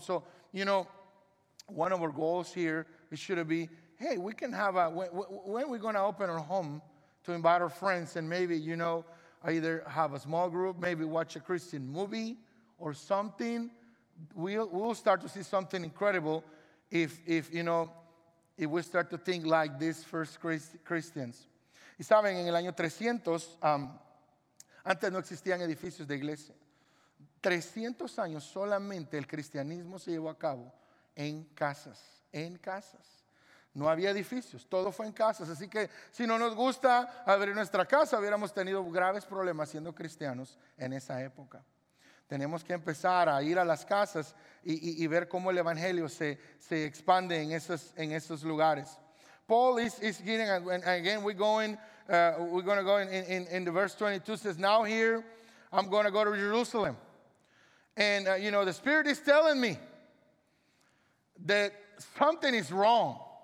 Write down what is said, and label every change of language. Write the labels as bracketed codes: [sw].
[en] So, you know, one of our goals here, it should be, hey, we can have a, when we're going to open our home to invite our friends and maybe, you know, either have a small group, maybe watch a Christian movie or something, we'll start to see something incredible if you know, if we start to think like these first Christians. [es] Y saben, en el año 300, antes no existían edificios de iglesia. 300 años solamente el cristianismo se llevó a cabo en casas, en casas. No había edificios, todo fue en casas. Así que si no nos gusta abrir nuestra casa, hubiéramos tenido graves problemas siendo cristianos en esa época. Tenemos que empezar a ir a las casas y ver cómo el evangelio se expande en esos lugares. [en] Paul is getting, and again we're going to go in the verse 22 says, now here I'm going to go to Jerusalem. And you know, the Spirit is telling me that something is wrong.